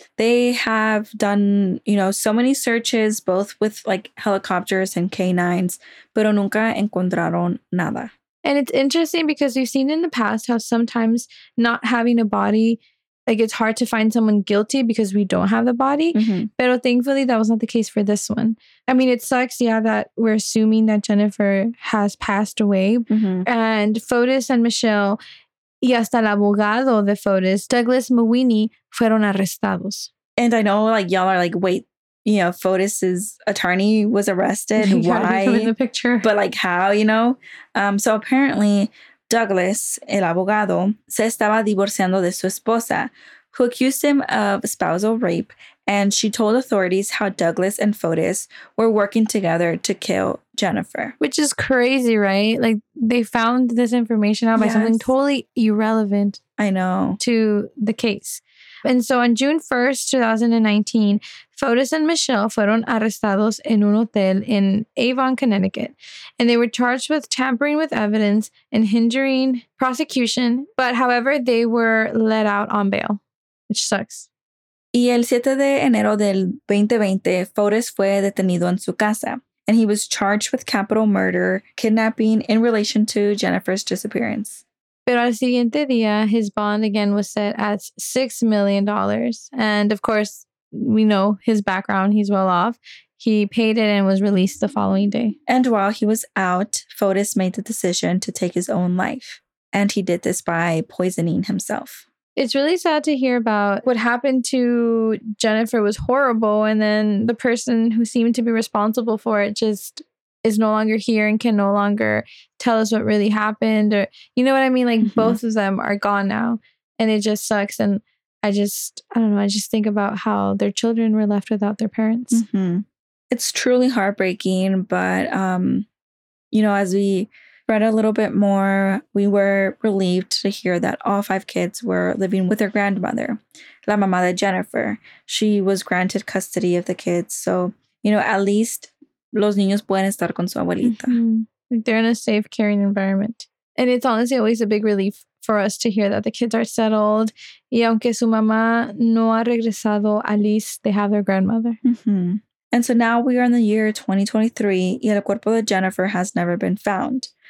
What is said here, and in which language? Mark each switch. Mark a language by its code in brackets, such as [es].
[en] They have done, you know, so many searches, both with like helicopters and canines, [es] pero nunca encontraron nada. [en] And it's interesting because we've seen in the past how sometimes not having a body, like it's hard to find someone guilty because we don't have the body. Mm-hmm. [es] Pero [en] thankfully, that was not the case for this one. I mean, it sucks, yeah, that we're assuming that Jennifer has passed away. Mm-hmm. And Fotis and Michelle, [es] y hasta el abogado de Fotis, Douglas Mawini, fueron arrestados. [en] And I know, like, y'all are like, wait, you know, Fotis's attorney was arrested. Why? In the picture. But, like, how, you know? So apparently, Douglas, [es] el abogado, se estaba divorciando de su esposa, [en] who accused him of spousal rape. And she told authorities how Douglas and Fotis were working together to kill Jennifer. Which is crazy, right? Like, they found this information out by something totally irrelevant. I know. To the case. And so on June 1st, 2019, Fotis and Michelle [es] fueron arrestados en un hotel [en] in Avon, Connecticut. And they were charged with tampering with evidence and hindering prosecution. But however, they were let out on bail, which sucks. [es] Y el 7 de enero del 2020, Fotis fue detenido en su casa. [en] And he was charged with capital murder, kidnapping in relation to Jennifer's disappearance. [es] Pero al siguiente día, [en] his bond again was set at $6 million. And of course, we know his background. He's well off. He paid it and was released the following day. And while he was out, Fotis made the decision to take his own life. And he did this by poisoning himself. It's really sad to hear about what happened to Jennifer was horrible. And then the person who seemed to be responsible for it just is no longer here and can no longer tell us what really happened. Or, you know what I mean? Like, mm-hmm. both of them are gone now. And it just sucks. And I just think about how their children were left without their parents. Mm-hmm. It's truly heartbreaking. But, you know, as we read a little bit more, we were relieved to hear that all five kids were living with their grandmother, [es] la mamá de Jennifer. [en] She was granted custody of the kids. So, you know, at least [es] los niños pueden estar con su abuelita. [en] Mm-hmm. They're in a safe, caring environment. And it's honestly always a big relief for us to hear that the kids are settled. [es] Y aunque su mamá no ha regresado, [en] at least they have their grandmother. Mm-hmm. And so now we are in the year 2023 [es] y el cuerpo de Jennifer [en] has never been found.